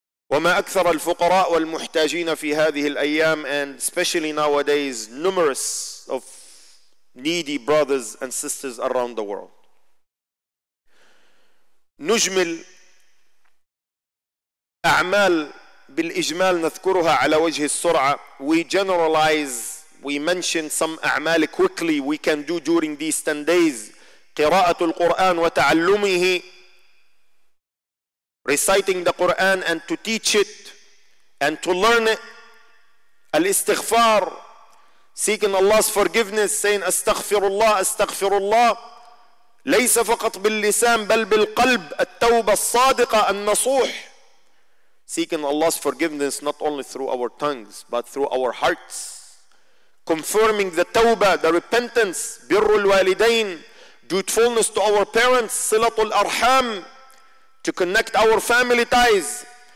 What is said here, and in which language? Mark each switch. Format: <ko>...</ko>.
<ar>وما أكثر الفقراء والمحتاجين في هذه الأيام.</ar> <en>And especially nowadays, numerous of needy brothers and sisters around the world.</en> <ar>نجمل أعمال بالإجمال نذكرها على وجه السرعة.</ar> <en>We generalize, we mention some أعمال quickly we can do during these 10 days.</en> <ar>قراءة القرآن وتعلمه.</ar> <en>Reciting the Quran and to teach it and to learn it. Al-istighfar, seeking Allah's forgiveness, saying astaghfirullah, astaghfirullah.</en> <ar>ليس فقط باللسان بل بالقلب. التوبة الصادقة النصوح.</ar> <en>Seeking Allah's forgiveness not only through our tongues but through our hearts. Confirming the tawbah, the repentance.</en> <ar>بر الوالدين,</ar> <en>dutifulness to our parents.</en> <ar>صلة الأرحام,</ar> <en>to connect our family ties.</en>